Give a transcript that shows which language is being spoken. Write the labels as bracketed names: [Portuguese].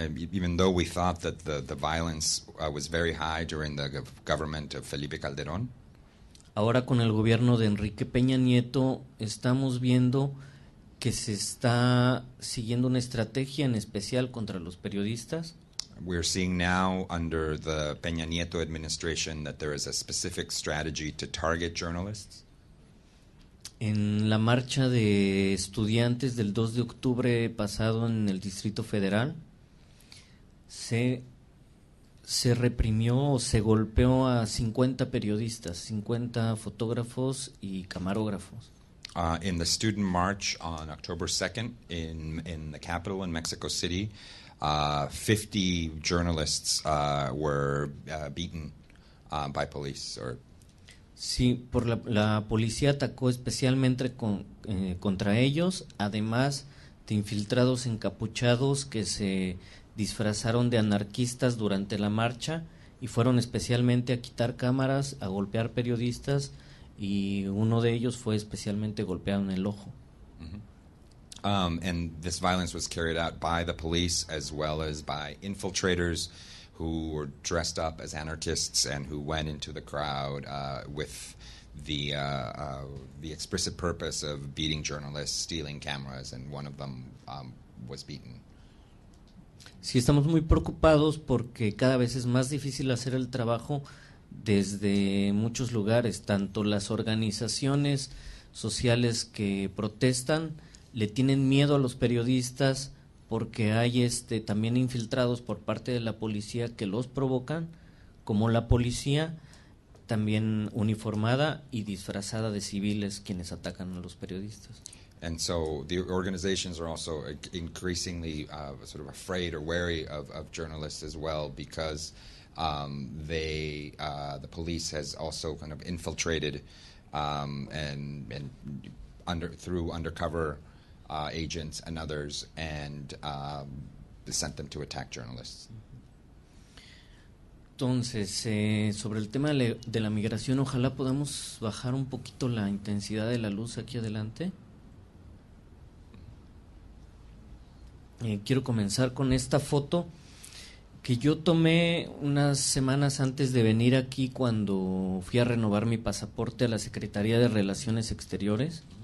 [English] Even though we thought that the violence was very high during the government of Felipe Calderón, [Spanish] ahora con el gobierno de Enrique Peña Nieto estamos viendo que se está siguiendo una estrategia en especial contra los periodistas. [English] We're seeing now under the Peña Nieto administration that there is a specific strategy to target journalists. [Spanish] En la marcha de estudiantes del 2 de octubre pasado en el Distrito Federal, se reprimió o se golpeó a 50 periodistas, 50 fotógrafos y camarógrafos. [English] In the student march on October 2nd in the capital in Mexico City, 50 journalists were beaten by police. Or [Spanish] sí, por la policía atacó especialmente contra ellos, además de infiltrados encapuchados que se disfrazaron de anarquistas durante la marcha y fueron especialmente a quitar cámaras, a golpear periodistas. Y uno de ellos fue especialmente golpeado en el ojo. Mm-hmm. [English] And this violence was carried out by the police as well as by infiltrators who were dressed up as anarchists and who went into the crowd with the explicit purpose of beating journalists, stealing cameras, and one of them was beaten. [Spanish] Sí, estamos muy preocupados porque cada vez es más difícil hacer el trabajo desde muchos lugares, tanto las organizaciones sociales que protestan le tienen miedo a los periodistas porque hay también infiltrados por parte de la policía que los provocan, como la policía, también uniformada y disfrazada de civiles quienes atacan a los periodistas. [English] And so the organizations are also increasingly sort of afraid or wary of journalists as well, because the police has also kind of infiltrated through undercover agents and others, and sent them to attack journalists. [Spanish] Entonces, sobre el tema de la migración, ojalá podamos bajar un poquito la intensidad de la luz aquí adelante. Quiero comenzar con esta foto que yo tomé unas semanas antes de venir aquí, cuando fui a renovar mi pasaporte a la Secretaría de Relaciones Exteriores.